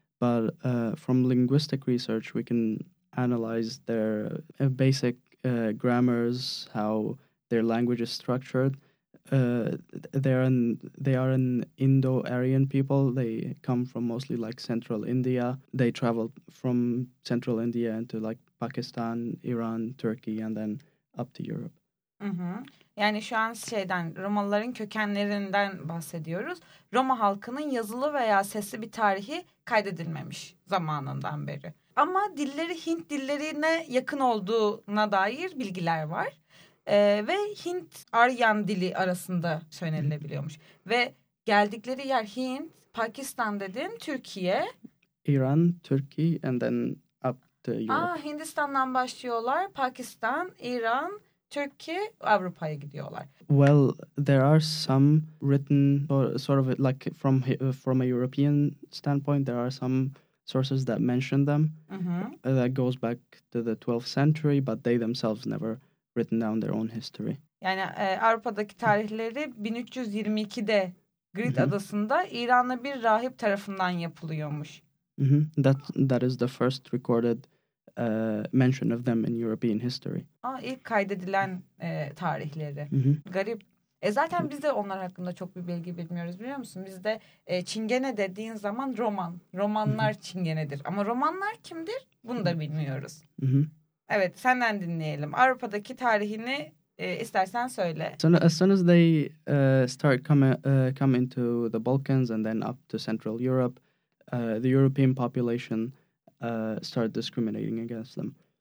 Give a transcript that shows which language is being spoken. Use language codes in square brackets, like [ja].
[en] But from linguistic research, we can analyze their basic grammars, how their language is structured. They are an Indo-Aryan people. They come from mostly like central India. They traveled from central India into like Pakistan, Iran, Turkey and then up to Europe. [tr] Yani şu an şeyden, Romalıların kökenlerinden bahsediyoruz. Roma halkının yazılı veya sesli bir tarihi kaydedilmemiş zamanından beri. Ama dilleri Hint dillerine yakın olduğuna dair bilgiler var. Ve Hint-Aryan dili arasında söylenebiliyormuş. Ve geldikleri yer Hint, Pakistan dedin, Türkiye. [en] İran, Türkiye and then up to Europe. [tr] Hindistan'dan başlıyorlar. Pakistan, İran, Türkiye, Avrupa'ya gidiyorlar. [en] Well, there are some written, sort of like from a European standpoint, there are some sources that mention them. That goes back to the 12th century, but they themselves never written down their own history. [tr] Yani Avrupa'daki tarihleri 1322'de Girit adasında İranlı bir rahip tarafından yapılıyormuş. [en] That is the first recorded mention of them in European history. [tr] İlk kaydedilen tarihleri. Garip. Zaten biz de onlar hakkında çok bir bilgi bilmiyoruz, biliyor musun? Biz de çingene dediğin zaman roman. Romanlar çingenedir. Ama romanlar kimdir? Bunu da bilmiyoruz. Evet, senden dinleyelim. Avrupa'daki tarihini istersen söyle. [en] So as soon as they start come into the Balkans and then up to Central Europe, the European population start discriminating against them.